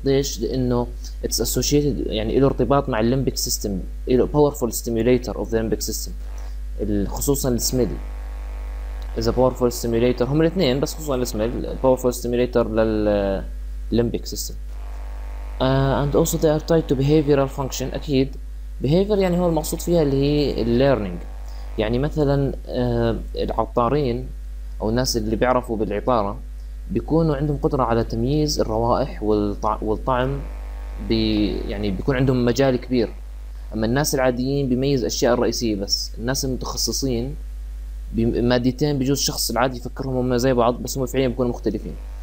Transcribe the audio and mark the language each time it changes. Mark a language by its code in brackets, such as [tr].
[ar] ليش؟ لانه [en] it's associated، [ar] يعني له ارتباط مع الليمبك سيستم، له [en] powerful stimulator of the limbic system، [ar] خصوصا السميل [en] is a powerful stimulator. [ar] هم الاثنين بس خصوصا السميل [en] powerful stimulator [ar] للليمبك سيستم. [en] And also they are tied to behavioral function. [ar] اكيد behavior يعني هو المقصود فيها اللي هي learning. يعني مثلا العطارين او الناس اللي بيعرفوا بالعطارة بيكونوا عندهم قدرة على تمييز الروائح والطعم، يعني بيكون عندهم مجال كبير. اما الناس العاديين بيميز اشياء الرئيسية بس، الناس المتخصصين بماديتين بجوز الشخص العادي يفكرهم هم زي بعض بس هم فعليا بيكونوا مختلفين.